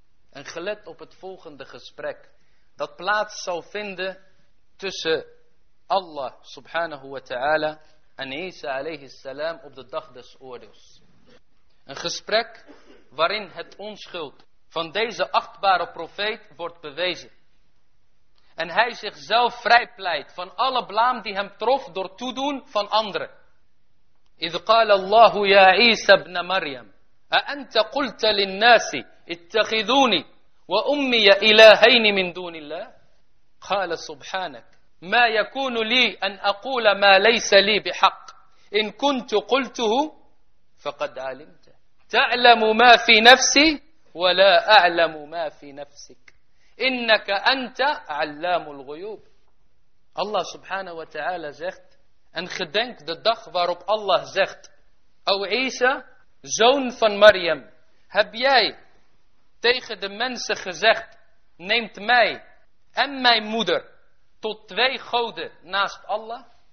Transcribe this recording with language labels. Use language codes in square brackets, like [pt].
[nl] En gelet op het volgende gesprek dat plaats zal vinden tussen Allah subhanahu wa ta'ala en Isa alayhi salam op de dag des oordeels. Een gesprek waarin het onschuld van deze achtbare profeet wordt bewezen. En hij zichzelf vrijpleit van alle blaam die hem trof door toedoen van anderen. [ar] إِذْ قَالَ اللَّهُ يَا عِيسَى ابْنَ مَرْيَمَ أَأَنْتَ قُلْتَ لِلنَّاسِ اتَّخِذُونِي وَأُمِّي إِلَٰهَيْنِ مِنْ دُونِ اللَّهِ قَالَ سُبْحَانَكَ مَا يَكُونُ لِي أَنْ أَقُولَ مَا لَيْسَ لِي بِحَقٍّ إِنْ كُنْتُ قُلْتُهُ فَقَدْ عَلِمْتَ تَعْلَمُ مَا فِي نَفْسِي وَلَا أَعْلَمُ مَا فِي نَفْسِكَ Innaka anta allamul ghuyub. [nl] Allah subhanahu wa ta'ala zegt, en gedenk de dag waarop Allah zegt, O Isa, zoon van Maryam, heb jij tegen de mensen gezegd, neemt mij en mijn moeder tot twee goden naast Allah?